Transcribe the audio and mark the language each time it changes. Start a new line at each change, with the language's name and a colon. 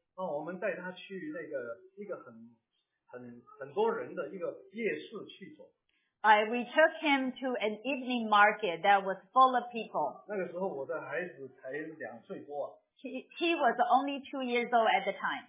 Chinese: 我们带他去那个很多人的一个夜市去走。
English: We took him to an evening market that was full of people.
Chinese: 那个时候我的孩子才两岁多。
English: He was only 2 years old at the time.